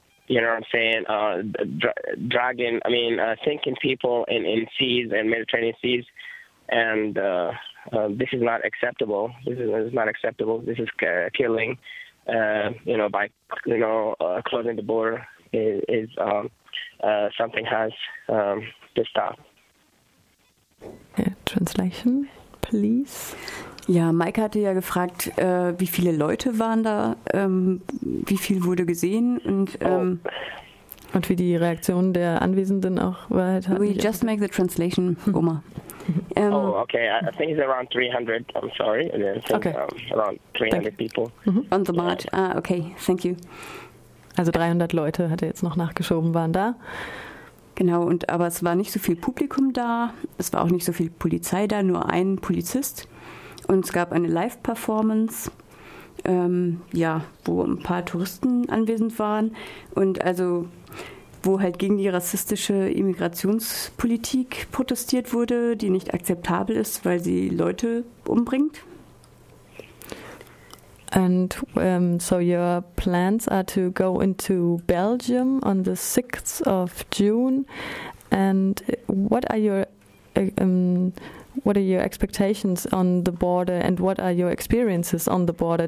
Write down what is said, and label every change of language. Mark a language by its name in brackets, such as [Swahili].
[English] you know what I'm saying, dragging, I mean, sinking people in seas and Mediterranean seas, and this is not acceptable. This is not acceptable. This is killing. You know, by, you know, closing the border is something has to stop. Translation, please. [German] Ja, Maike hatte ja gefragt, wie viele Leute waren da, wie viel wurde gesehen und Und wie die Reaktion der Anwesenden auch war. [English] We just make the translation, Oma. Oh, okay. I think it's around 300. I'm sorry. I think Okay. around 300 people. On the march. Ah, okay. Thank you. [German] Also 300 Leute, hat er jetzt noch nachgeschoben, waren da. Genau, und aber es war nicht so viel Publikum da, es war auch nicht so viel Polizei da, nur ein Polizist. Und es gab eine Live-Performance, ja, wo ein paar Touristen anwesend waren. Und also, wo halt gegen die rassistische Immigrationspolitik protestiert wurde, die nicht akzeptabel ist, weil sie Leute umbringt. [English] And so your plans are to go into Belgium on the 6th of June. And what are your expectations on the border, and what are your experiences on the border?